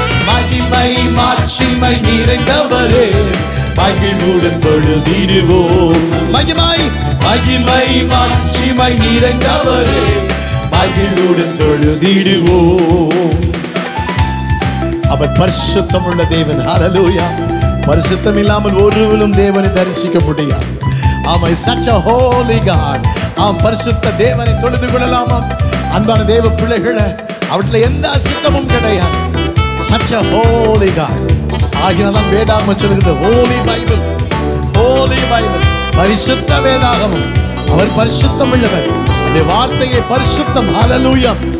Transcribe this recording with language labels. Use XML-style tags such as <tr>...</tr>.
<ta>மகிமை மாட்சிமை நிறைந்தவரே மகிழ்வுடன் தொழுகிடுவோம். மகிமை மகிமை மாட்சிமை நிறைந்தவரே மகிழ்வுடன் தொழுகிடுவோம். அவர் பரிசுத்தம் உள்ள தேவன். ஹல்லேலூயா. பரிசுத்தம் இல்லாமல் ஒருவனும் தேவனை தரிசிக்க முடியாது.</ta> <en>ஆமா, such a holy God.</en> <ta>ஆம், பரிசுத்த தேவனை தொழுது கொள்ளலாமா? அன்பான தேவ பிள்ளைகளே, அவற்றில் எந்த அசுத்தமும் கிடையாது.</ta> <en>such a holy God.</en> <ta>ஆகினாலும் வேதாகமம் சொல்கிறது, ஹோலி பைபிள், ஹோலி பைபிள், பரிசுத்த வேதாகமம். அவர் பரிசுத்தம் உள்ளவர். அந்த வார்த்தையை பரிசுத்தம். ஹல்லேலூயா.</ta>